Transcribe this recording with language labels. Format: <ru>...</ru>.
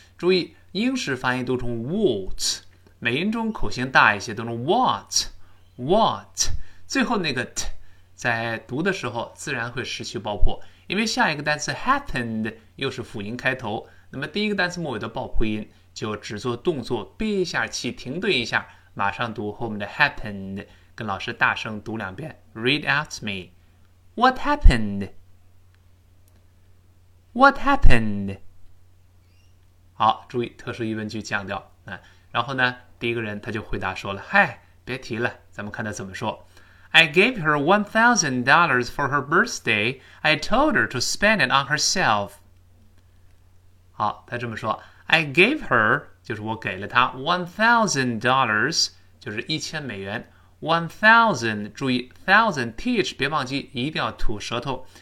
<zh>注意英式发音都成 what， 美音中口型大一些，都成 what what， 最后那个 t 在读的时候自然会失去爆破，因为下一个单词 happened 又是辅音开头，那么第一个单词末尾的爆破音就只做动作，憋一下气，停顿一下，马上读后面的 happened。跟老师大声读两遍，</zh> <en>read after me。 What happenedWhat happened？</en> <zh>好，注意特殊疑问句降调、然后呢，第一个人他就回答说了：“嗨，别提了。” 咱们看他怎么说</zh> <en>：“I gave her $1,000 for her birthday. I told her to spend it on herself.”</en> <zh>好，他这么说 ：</zh> <en>“I gave her</en> <zh>就是我给了她$1,000，就是$1,000。 1000， 注意 thousand th 别忘记，一定要吐舌头。”</zh>